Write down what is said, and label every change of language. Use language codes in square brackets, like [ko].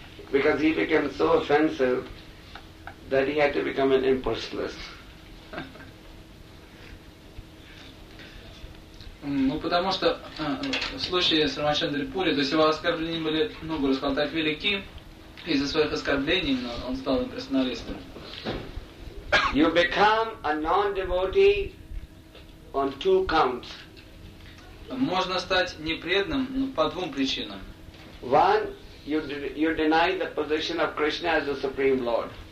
[en] Because he became so offensive that he had to become an impersonalist. [ru] Ну, потому что в случае с Рамачандрой Пури, то есть его оскорбления были, ну, грубо сказать, так велики, из-за своих оскорблений но он стал имперсоналистом. [en] You become a non-devotee on two counts. [ru] Можно стать непреданным по двум причинам. [en] One, you deny the position of Krishna as the Supreme Lord.